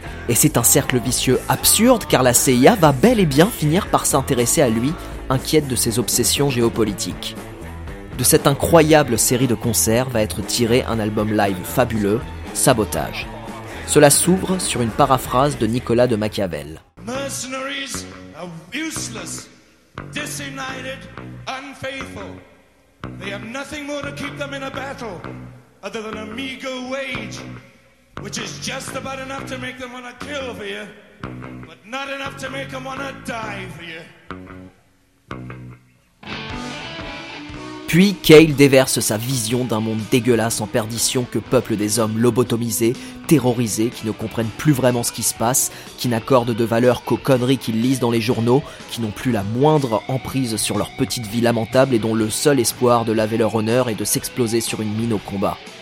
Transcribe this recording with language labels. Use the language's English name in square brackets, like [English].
[French] Et c'est un cercle vicieux absurde car la CIA va bel et bien finir par s'intéresser à lui, inquiète de ses obsessions géopolitiques. De cette incroyable série de concerts va être tiré un album live fabuleux, Sabotage. Cela s'ouvre sur une paraphrase de Nicolas de Machiavel. « [English] Mercenaries !» are useless, disunited, unfaithful. They have nothing more to keep them in a battle other than a meager wage, which is just about enough to make them want to kill for you, but not enough to make them want to die for you. [French] Puis Cale déverse sa vision d'un monde dégueulasse en perdition que peuplent des hommes lobotomisés, terrorisés, qui ne comprennent plus vraiment ce qui se passe, qui n'accordent de valeur qu'aux conneries qu'ils lisent dans les journaux, qui n'ont plus la moindre emprise sur leur petite vie lamentable et dont le seul espoir de laver leur honneur est de s'exploser sur une mine au combat.